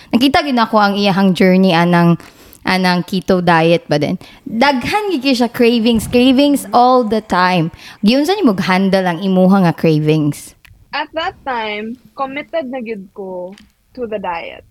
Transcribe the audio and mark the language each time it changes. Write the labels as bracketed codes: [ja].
[ceb] Nakita gyud ako ang iyang journey anang anang keto diet ba din. Daghan gigi siya cravings all the time. Giyunsa niyo mag-handle ang imuha nga cravings? [en] At that time, committed [ceb] na gid ko [en] to the diet.